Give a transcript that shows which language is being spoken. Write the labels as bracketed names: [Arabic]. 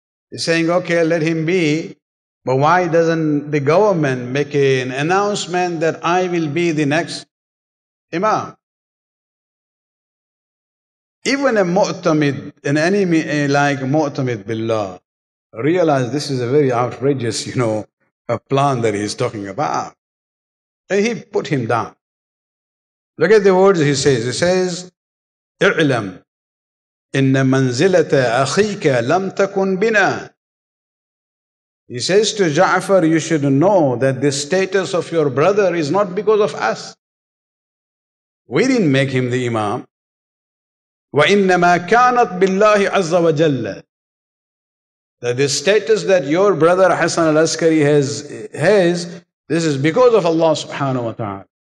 [English] He's saying, okay, let him be, but why doesn't the government make an announcement that I will be the next Imam? Even a Mu'tamid, an enemy like Mu'tamid Billah, realized this is a very outrageous, you know, a plan that he's talking about. And he put him down. Look at the words he says. He says, [Arabic] اعلم إن منزلة أخيك لم تكن بنا. [English] He says to Ja'far, you should know that the status of your brother is not because of us. We didn't make him the Imam. [Arabic] وإنما كانت بالله عز وجل. [English] That the status that your brother Hasan al-Askari has, this is because of Allah subhanahu wa ta'ala.